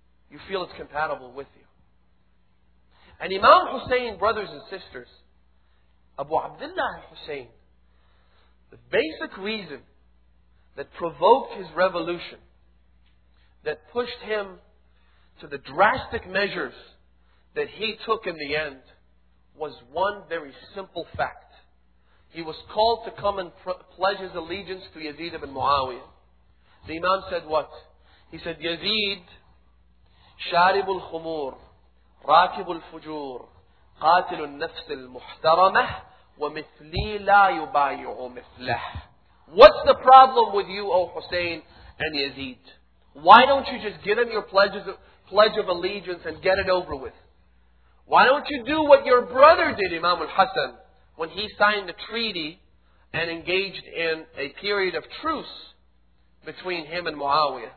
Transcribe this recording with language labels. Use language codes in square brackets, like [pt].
[en] You feel it's compatible with you. And Imam Hussein, brothers and sisters, Abu Abdullah Hussein, the basic reason that provoked his revolution, that pushed him to the drastic measures that he took in the end, was one very simple fact. He was called to come and pledge his allegiance to Yazid ibn Muawiyah. The Imam said what? He said, Yazid, [ar] شارب الخمور, راكب الفجور, قاتل النفس المحترمة, ومثلي لا يبايع مثله. [en] What's the problem with you, O Hussein and Yazid? Why don't you just give him your pledge of allegiance and get it over with? Why don't you do what your brother did, Imam al-Hassan, when he signed the treaty and engaged in a period of truce between him and Muawiyah.